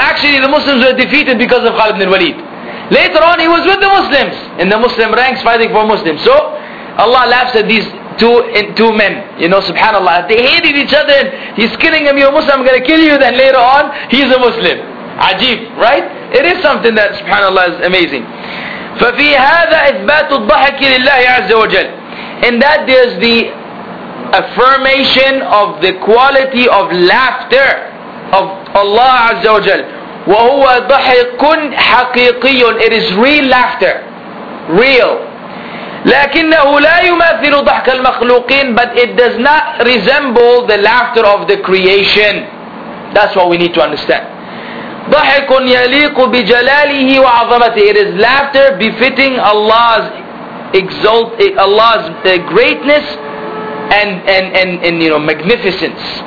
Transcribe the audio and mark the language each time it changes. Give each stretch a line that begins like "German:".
English: Actually, the Muslims were defeated because of Khalid bin Walid. Later on, he was with the Muslims, in the Muslim ranks, fighting for Muslims. So, Allah laughs at these two men. You know, subhanAllah, they hated each other, and he's killing him, you're a Muslim, I'm going to kill you. Then later on, he's a Muslim. Ajib, right? It is something that, subhanAllah, is amazing.
Arabic: ففي هذا إثبات الضحك لله عز وجل.
English: In that there is the affirmation of the quality of laughter of Allah عز وجل.
Arabic: وهو ضحك حقيقي.
English: It is real laughter. Real.
Arabic: لكنه لا يماثل ضحك المخلوقين.
English: But it does not resemble the laughter of the creation. That's what we need to understand.
Arabic: ضحك يليق بجلاله وعظمته.
English: It is laughter befitting Allah's greatness and you know, magnificence.